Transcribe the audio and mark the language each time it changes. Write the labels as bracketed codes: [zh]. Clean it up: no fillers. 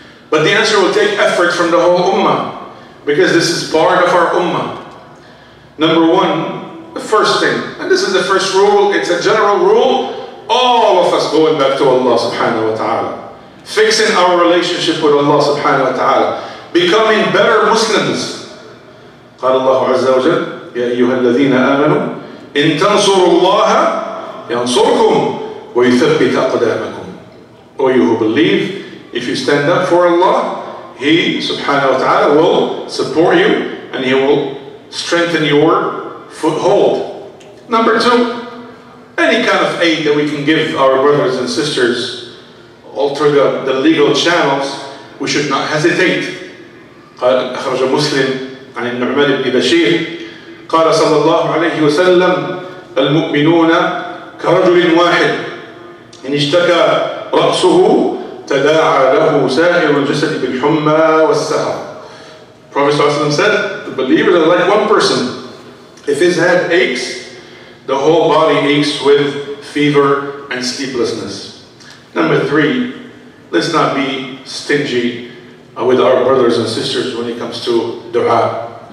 [en] But the answer will take effort from the whole ummah, because this is part of our ummah. Number one, the first thing, and this is the first rule, it's a general rule, all of us going back to Allah subhanahu wa ta'ala, fixing our relationship with Allah subhanahu wa ta'ala, becoming better Muslims. [ar] قال الله عز وجل يا أيها الذين آمنوا إن تنصروا الله ينصركم ويثبت أقدامكم. [en] O you who believe, if you stand up for Allah, He subhanahu wa ta'ala will support you and He will strengthen your foothold. Number two, any kind of aid that we can give our brothers and sisters all through the legal channels, we should not hesitate. [ar] قال أخرج مسلم عن النعمان بن بشير قال صلى الله عليه وسلم المؤمنون كرجل واحد إن اشتكى رأسه تداعى له سائر الجسد بالحمى والسهر. [en] Prophet [ar] صلى الله عليه وسلم [en] said, the believers are like one person. If his head aches, the whole body aches with fever and sleeplessness. Number three, let's not be stingy with our brothers and sisters when it comes to dua.